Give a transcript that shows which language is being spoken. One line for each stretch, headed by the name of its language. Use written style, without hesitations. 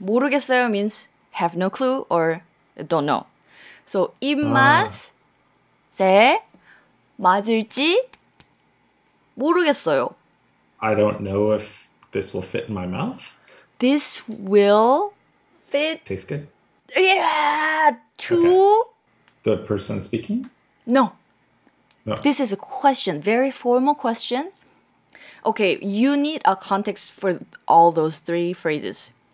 English: 모르겠어요 means have no clue or don't know.
Korean: So 입맛에 맞을지 모르겠어요.
English: I don't know if this will fit in my mouth. This will... fit. Tastes good? Yeah! To... The person speaking? No. No. This is a question. Very formal question. Okay, you need a context for all those three phrases.